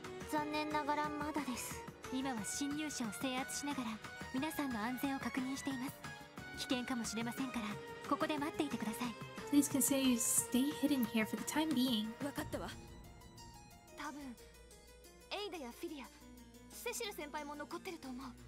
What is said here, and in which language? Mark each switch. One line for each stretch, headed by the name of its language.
Japanese: 残念ながらまだです。今は侵入者を制圧しながら皆さんの安全を確認しています。危険かもしれませんから、ここで待っていてください。
English: Please consider you stay hidden here for the time being.
Japanese: わかったわ。多分エイダやフィリア、セシル先輩も残ってると思う。